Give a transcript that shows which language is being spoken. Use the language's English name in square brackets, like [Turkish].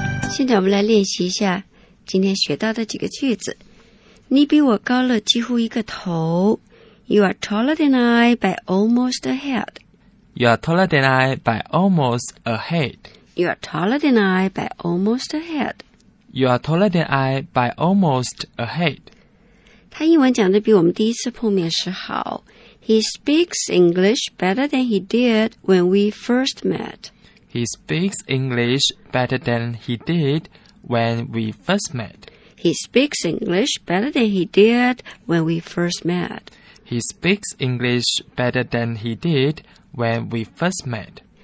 [Chinese] 现在我们来练习一下今天学到的几个句子。你比我高了几乎一个头。 [English] You are taller than I by almost a head. You are taller than I by almost a head. You are taller than I by almost a head. You are taller than I by almost a head. [Chinese] 他英文讲得比我们第一次碰面时好。 [English] He speaks English better than he did when we first met. He speaks English better than he did when we first met. He speaks English better than he did when we first met. He speaks English better than he did. When we first met.